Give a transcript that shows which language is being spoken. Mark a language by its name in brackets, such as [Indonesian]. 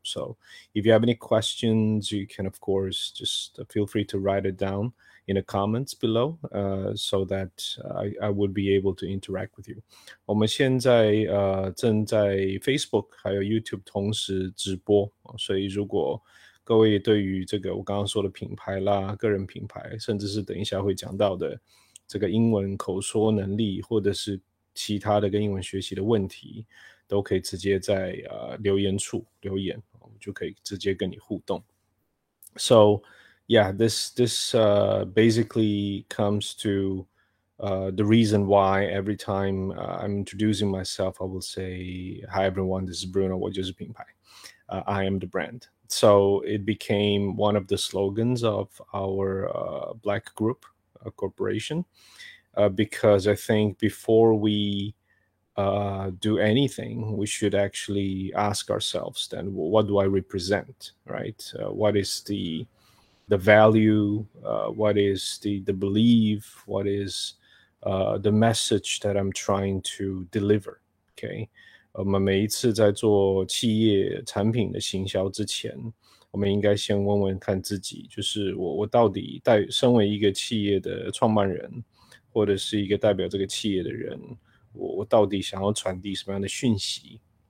[English] So if you have any questions, you can of course just feel free to write it down in the comments below, so that I would be able to interact with you. [Chinese] 我们现在正在 Facebook 还有 YouTube 同时直播，所以如果各位对于这个我刚刚说的品牌啦、个人品牌，甚至是等一下会讲到的这个英文口说能力，或者是其他的跟英文学习的问题，都可以直接在留言处留言，我们就可以直接跟你互动。 [English] So yeah, this basically comes to the reason why every time I'm introducing myself, I will say, "Hi everyone, this is Bruno. [Chinese] 我就是品牌。 [English] I am the brand." So it became one of the slogans of our black group, a corporation, because I think before we do anything, we should actually ask ourselves then, what do I represent, right? What is the value? What is the belief? What is the message that I'm trying to deliver? [Chinese] Okay, 我们每一次在做企业产品的行销之前，我们应该先问问看自己，就是我到底身为一个企业的创办人，或者是一个代表这个企业的人，我到底想要传递什么样的讯息？